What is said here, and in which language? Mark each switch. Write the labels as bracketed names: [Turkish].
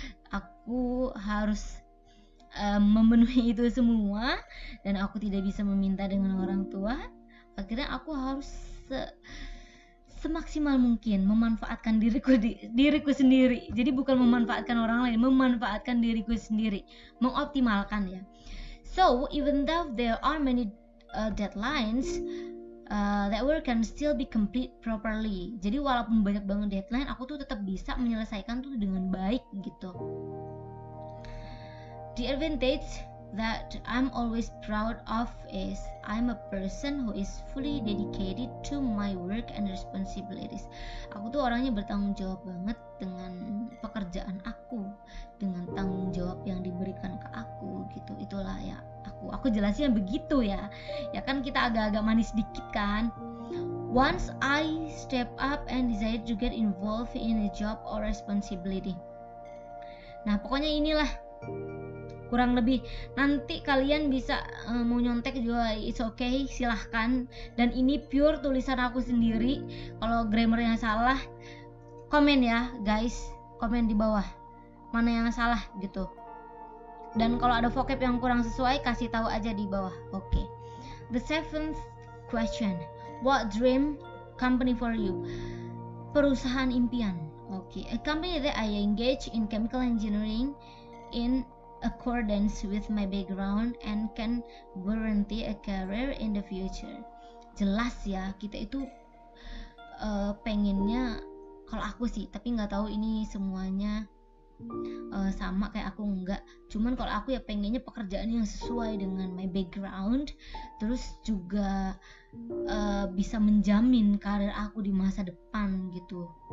[Indonesian] Aku harus memenuhi itu semua dan aku tidak bisa meminta dengan orang tua. Akhirnya aku harus semaksimal mungkin memanfaatkan diriku sendiri. Jadi bukan memanfaatkan orang lain, memanfaatkan diriku sendiri, mengoptimalkan ya. [English] So, even though there are many deadlines, that work can still be complete properly. [Indonesian] Jadi walaupun banyak banget deadline, aku tuh tetap bisa menyelesaikan tuh dengan baik gitu. [English] The advantage that I'm always proud of is I'm a person who is fully dedicated to my work and responsibilities. [Indonesian] Aku tuh orangnya bertanggung jawab banget dengan pekerjaan aku, dengan tanggung jawab yang diberikan ke aku gitu. Itulah ya aku jelasnya begitu ya. Ya kan kita agak-agak manis dikit kan. [English] Once I step up and decide to get involved in a job or responsibility. [Indonesian] Nah, pokoknya inilah kurang lebih, nanti kalian bisa mau nyontek juga, [English] it's okay, [Indonesian] silahkan. Dan ini pure tulisan aku sendiri. Kalau grammarnya salah, komen ya guys, komen di bawah mana yang salah gitu. Dan kalau ada vocab yang kurang sesuai, kasih tahu aja di bawah. Oke. [English] The seventh question, what dream company for you? [Indonesian] Perusahaan impian. Oke. [English] A company that I engage in chemical engineering in accordance with my background and can guarantee a career in the future. [Indonesian] Jelas ya, kita itu pengennya, kalau aku sih, tapi nggak tahu ini semuanya sama kayak aku enggak. Cuman kalau aku ya pengennya pekerjaan yang sesuai dengan [English] my background, [Indonesian] terus juga bisa menjamin karir aku di masa depan gitu.